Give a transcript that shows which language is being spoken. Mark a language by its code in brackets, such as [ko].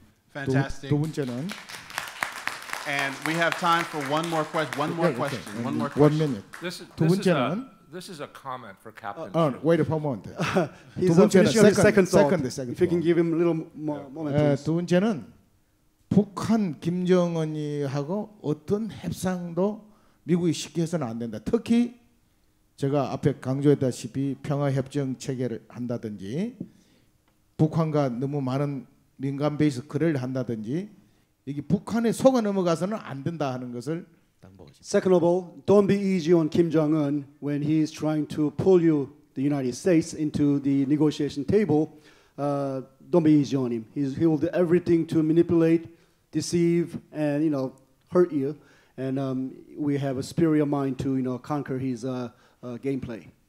[en] Fantastic. [ko] 두 번째는 [en] And we have time for one more question. One more question. Okay. One more question. 1 minute. This is a comment for Captain. Wait a moment. He's finishing his second thought. If you can give him a little moment, please. [ko] 두 번째는 북한 김정은이하고 어떤 협상도 미국이 쉽게 해서는 안 된다. 특히 제가 앞에 강조했다시피 평화협정 체결을 한다든지 북한과 너무 많은 민간 베이스 거래를 한다든지 이게 북한에 속아 넘어가서는 안 된다 하는 것을 당부하십니다. [en] Second of all, don't be easy on Kim Jong-un when he's trying to pull you, the United States, into the negotiation table. Don't be easy on him. He will do everything to manipulate, deceive, and you know, hurt you. And we have a spirit of mind to, you know, conquer his gameplay.